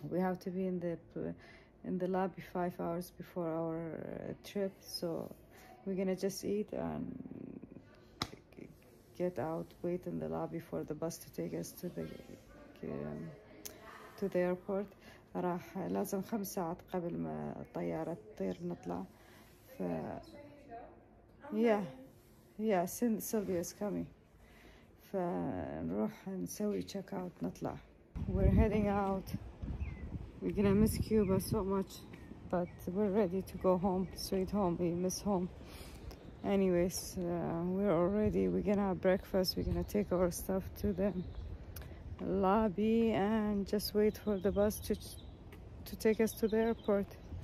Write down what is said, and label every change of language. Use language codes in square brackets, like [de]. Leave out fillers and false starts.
[en] We have to be in the lobby 5 hours before our trip, so we're gonna just eat and get out, wait in the lobby for the bus to take us to the airport. [ar] راح لازم 5 ساعات قبل ما الطيارة تطير نطلع. [en] Yeah, Sylvia's coming. [ar] فنروح نسوي check out نطلع. [en] We're heading out. We're gonna miss Cuba so much, but we're ready to go home, sweet home. We miss home. Anyways, we're all ready. We're gonna have breakfast. We're gonna take our stuff to the lobby and just wait for the bus to take us to the airport.